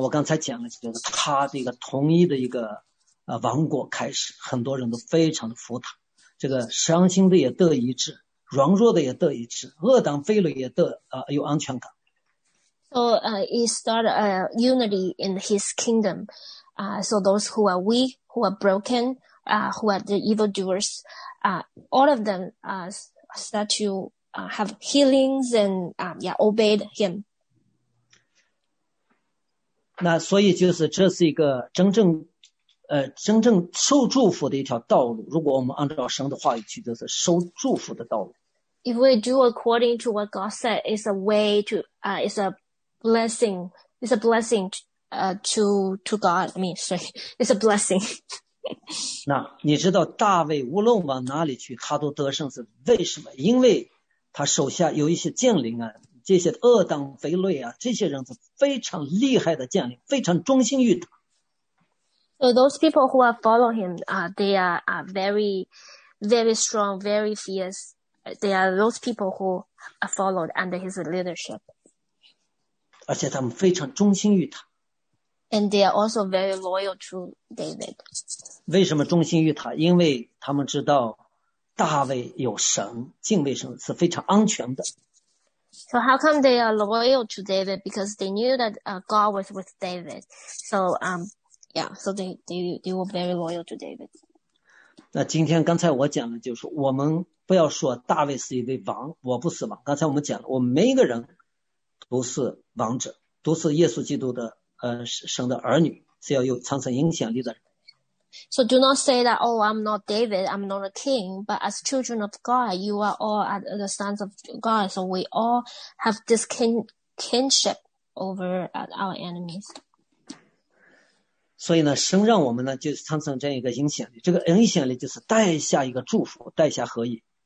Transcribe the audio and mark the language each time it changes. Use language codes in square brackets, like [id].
[zh] 我刚才讲了，就是他这个统一的一个王国开始，很多人都非常的服他，这个伤心的也得医治，软弱的也得医治，恶党废了也得有安全感。 [en] So he started a unity in his kingdom. So those who are weak, who are broken, who are the evildoers, all of them start to have healings and obeyed him. [zh] 那所以就是这是一个真正真正受祝福的一条道路。如果我们按照神的话语去，就是受祝福的道路。 [en] If we do according to what God said, it's a way to it's aBlessing, it's a blessing, to God. I mean, sorry, it's a blessing. [zh] 那你知道大卫无论往哪里去，他都得胜是为什么？因为他手下有一些将领啊，这些恶党肥累啊，这些人是非常厉害的将领，非常忠心于他。 [en] So those people who are following him, they are very, very strong, very fierce. They are those people who are followed under his leadership. [zh] 而且他们非常忠心于他。 [en] And they are also very loyal to David. [zh] 为什么忠心于他？因为他们知道大卫有神，敬畏神是非常安全的。 [en] So how come they are loyal to David? Because they knew that God was with David. So so they were very loyal to David. [zh] 那今天刚才我讲的就是我们不要说大卫是一位王，我不是王。刚才我们讲了，我们每一个人都是王者，都是耶稣基督的神的儿女，是要有产生影响力的人。 [en] So do not say that, oh, I'm not David, I'm not a king, but as children of God, you are all at the sons of God, so we all have this kinship over our enemies. [zh] 所以呢，神让我们呢就产生这样一个影响力，这个影响力就是带下一个祝福，带下合一。